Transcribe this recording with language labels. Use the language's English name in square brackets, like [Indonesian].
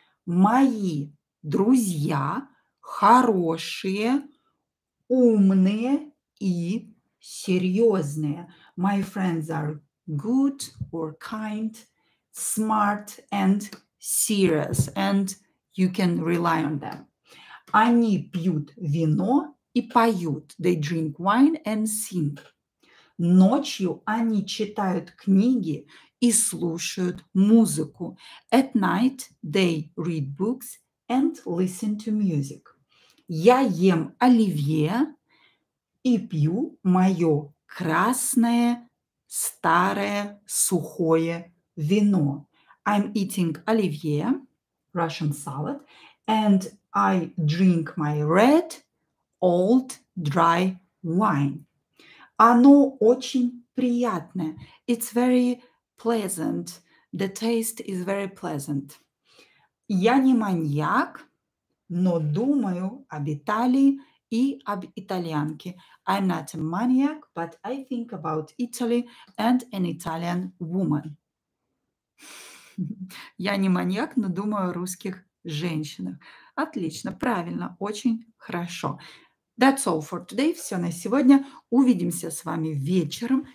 [Russian] Мои друзья хорошие, умные и серьезные. [English] My friends are good or kind, smart and serious, and you can rely on them. [Russian] Они пьют вино и поют. [English] They drink wine and sing. [Russian] Ночью они читают книги и слушают музыку. [English] At night they read books and listen to music. [Russian] Я ем оливье и пью мое красное старое сухое вино. [English] I'm eating оливье, Russian salad, and I drink my red old dry wine. [Russian] Оно очень приятное. [English] It's very pleasant. The taste is very pleasant. [Russian] Я не маньяк, но думаю об Италии и об итальянке. [English] I'm not a maniac, but I think about Italy and an Italian woman. [Russian] Я не маньяк, но думаю о русских женщинах. Отлично, правильно, очень хорошо. [English] That's all for today. [Russian] Все на сегодня. Увидимся с вами вечером.